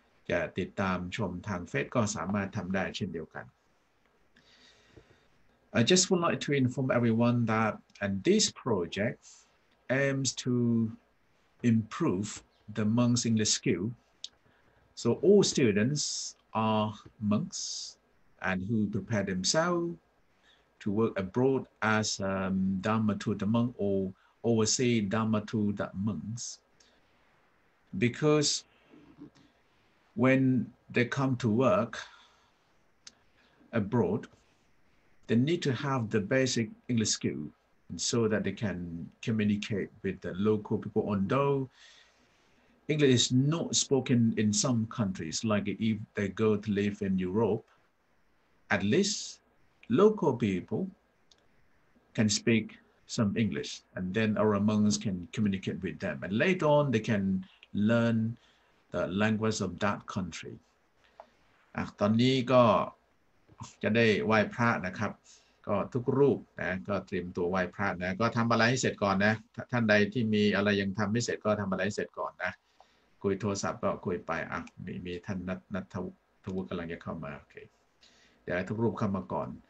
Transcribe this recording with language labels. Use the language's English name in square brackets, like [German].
[Thai] จะติดตามชมทางเฟซก็สามารถทำได้เช่นเดียวกัน [English] I just would like to inform everyone that and this project aims to improve the monks English skill so all students are monks and who prepare themselvesto work abroad as Dhamma Tutor monk or oversee Dhamma Tutor monks. Because when they come to work abroad, they need to have the basic English skill so that they can communicate with the local people. Although English is not spoken in some countries, like if they go to live in Europe, at leastLocal people can speak some English, and then our monks can communicate with them. And later on, they can learn the language of that country. [Thai] ตอนนี้ก็จะได้ไหว้พระนะครับก็ทุกรูปนะก็เตรียมตัวไหว้พระนะก็ทำอะไรให้เสร็จก่อนนะท่านใดที่มีอะไรยังทำไม่เสร็จก็ทำอะไรให้เสร็จก่อนนะคุยโทรศัพท์ก็คุยไปมีท่านนัททวุฒิกำลังจะเข้ามาโอเคเดี๋ยวทุกรูปเข้ามาก่อน